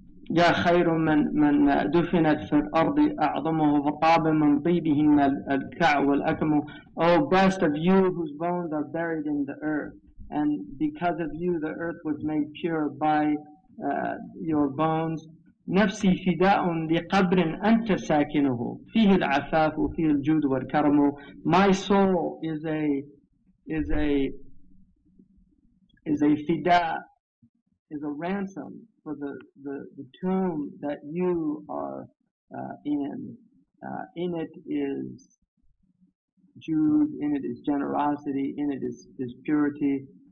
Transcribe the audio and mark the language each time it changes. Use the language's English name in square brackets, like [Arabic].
[Arabic] يا خير من دفنت في الأرض أعظمه فطاب من طيبه الكعب والأكم. [English] Oh, best of you whose bones are buried in the earth. And because of you, the earth was made pure by your bones. [Arabic] نفسي فداء لقبر أنت ساكنه فيه العفاف وفيه الجود والكرم. [English] My soul is a فداء, is a ransom for the tomb that you are in. In it is jude, in it is generosity, in it is purity.